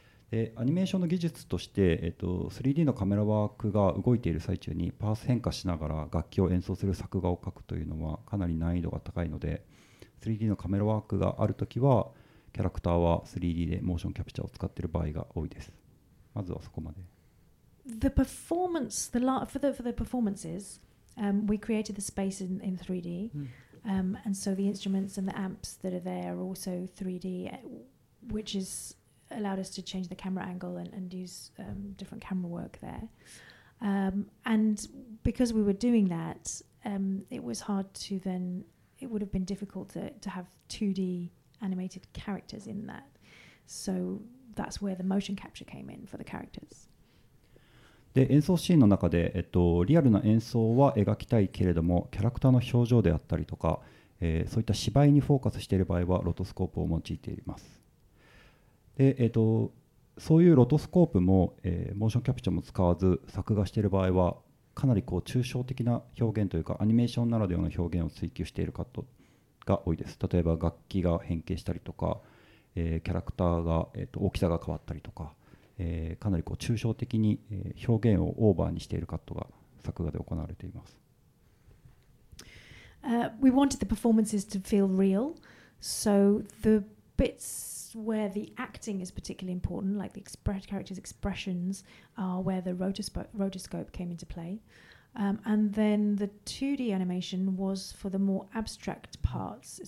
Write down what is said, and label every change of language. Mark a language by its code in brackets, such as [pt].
[ja] で、アニメーションの技術として、3D のカメラワークが動いている最中にパース変化しながら楽器を演奏する作画を描くというのはかなり難易度が高いので、 3D のカメラワークがあるときはキャラクターは 3D でモーションキャプチャーを使っている場合が多いです。まずはそこまで。 [en] The performance, for the performances, we created the space in 3D,、and so the instruments and the amps that are there are also 3D, which has allowed us to change the camera angle and use、different camera work there.、and because we were doing that,、it was hard to then, it would have been difficult to have 2Danimated characters in that. So that's where the motion capture came in for the characters. [ja] で、演奏シーンの中で、リアルな演奏は描きたいけれども、キャラクターの表情であったりとか、そういった芝居にフォーカスしている場合はロトスコープを用いています。で、そういうロトスコープも、モーションキャプチャーも使わず作画している場合は、かなりこう抽象的な表現というかアニメーションならではの表現を追求しているかと。が多いです。例えば楽器が変形したりとか、キャラクターが、大きさが変わったりとか、かなりこう抽象的に、表現をオーバーにしているカットが作画で行われています。 [en] We wanted the performances to feel real, so the bits where the acting is particularly important, like the characters' expressions, are where the rotoscope came into play. And then the 2D animation was for the more abstract parts.